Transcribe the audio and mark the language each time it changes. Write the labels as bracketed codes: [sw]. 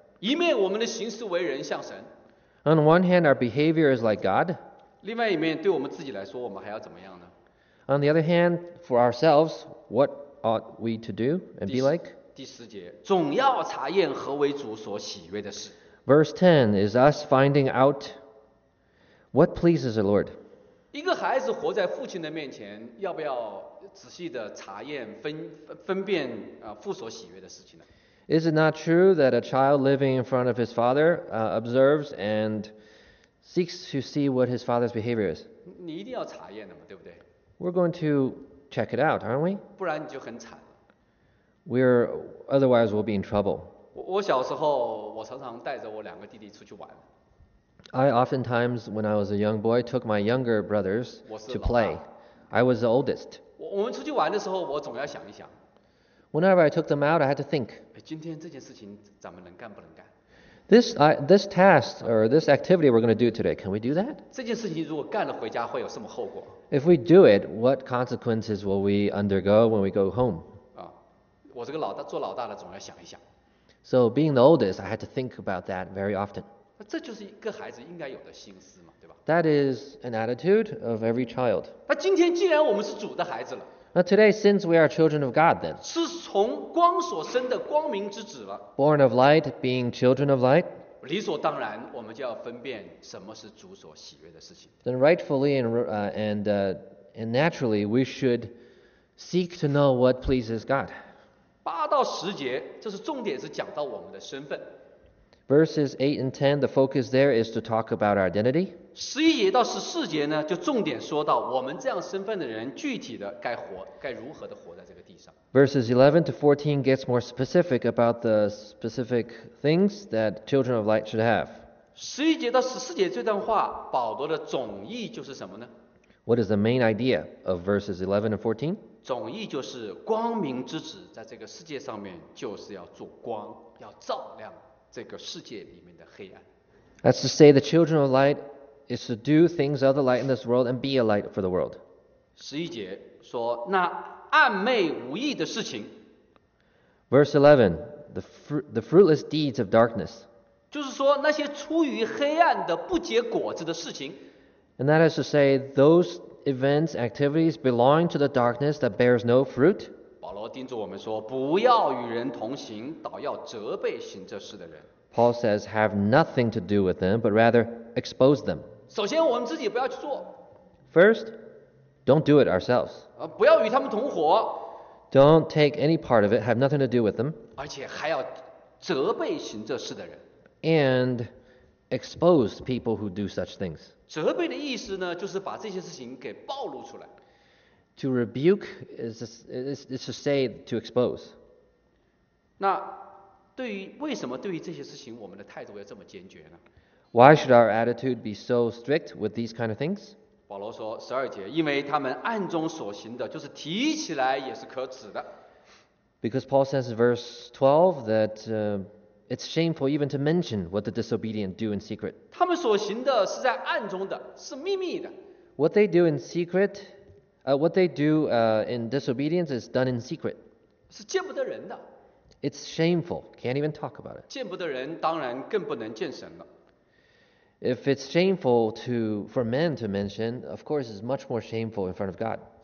[zh] 一面我们的行事为人像神。 [en] On one hand, our behavior is like God. [zh] 另外一面，对我们自己来说，我们还要怎么样呢？ [en] On the other hand, for ourselves, what ought we to do and be like? [zh] 第十节，总要查验何为主所喜悦的事。 [en] Verse 10 is us finding out what pleases the Lord. [zh] 一个孩子活在父亲的面前，要不要仔细的查验分辨父所喜悦的事情呢？ [en] Is it not true that a child living in front of his father observes and seeks to see what his father's behavior is? [zh] 你一定要查验的嘛，对不对？ [en] We're going to check it out, aren't we? [zh] 不然你就很惨。 [en] Otherwise, we'll be in trouble. [zh] 我小时候，我常常带着我两个弟弟出去玩。 [en] I oftentimes, when I was a young boy, took my younger brothers to play. I was the oldest. [zh] 我们出去玩的时候，我总要想一想。 [en] Whenever I took them out, I had to think. [zh] 今天这件事情咱们能干不能干？ [en] This task or this activity we're going to do today, can we do that? [zh] 这件事情如果干了回家会有什么后果？ [en] If we do it, what consequences will we undergo when we go home? [zh] 我这个老大做老大的总要想一想。 [en] So being the oldest, I had to think about that very often. [zh] 这就是一个孩子应该有的心思嘛，对吧？ [en] That is an attitude of every child. [zh] 那今天既然我们是主的孩子了。 [en] Now today, since we are children of God, then. [zh] 是从光所生的光明之子了。 [en] Born of light, being children of light. [zh] 理所当然，我们就要分辨什么是主所喜悦的事情。 [en] Then rightfully and naturally, we should seek to know what pleases God. [zh] 八到十节，这是重点，是讲到我们的身份。 [en] Verses 8 and 10, the focus there is to talk about our identity. [zh] 十一节到十四节呢，就重点说到我们这样身份的人具体的该活，该如何的活在这个地上。 [en] Verses 11 to 14 gets more specific about the specific things that children of light should have. [zh] 十一节到十四节这段话，保罗的总意就是什么呢？ [en] What is the main idea of verses 11 and 14? [zh] 总意就是光明之子在这个世界上面就是要做光，要照亮这个世界里面的黑暗。 [en] That's to say the children of light is to do things of the light in this world and be a light for the world. [zh] 十一节说那暗昧无益的事情。 [en] Verse 11, the fruitless deeds of darkness. [zh] 就是说那些出于黑暗的不结果子的事情。 [en] And that is to say those events, activities belonging to the darkness that bears no fruit. [zh] 保罗叮嘱我们说，不要与人同行，倒要责备行这事的人。 [en] Paul says, have nothing to do with them, but rather expose them. [zh] 首先我们自己不要去做。 [en] First, don't do it ourselves. [zh] 不要与他们同伙。 [en] Don't take any part of it, have nothing to do with them. [zh] 而且还要责备行这事的人。 [en] And expose people who do such things. [zh] 责备的意思呢，就是把这些事情给暴露出来。 [en] To rebuke is to say to expose. [zh] 那对于为什么对于这些事情我们的态度要这么坚决呢？ [en] Why should our attitude be so strict with these kind of things? [zh] 保罗说十二节，因为他们暗中所行的，就是提起来也是可耻的。 [en] Because Paul says in verse 12 that It's shameful even to mention what the disobedient do in secret. [zh] 他们所行的是在暗中的，是秘密的。 [en] What they do in secret, what they do in disobedience is done in secret. [zh] 是见不得人的。 [en] It's shameful, can't even talk about it. [zh] 见不得人，当然更不能见神了。 [en] If it's shameful to for men to mention, of course it's much more shameful in front of God.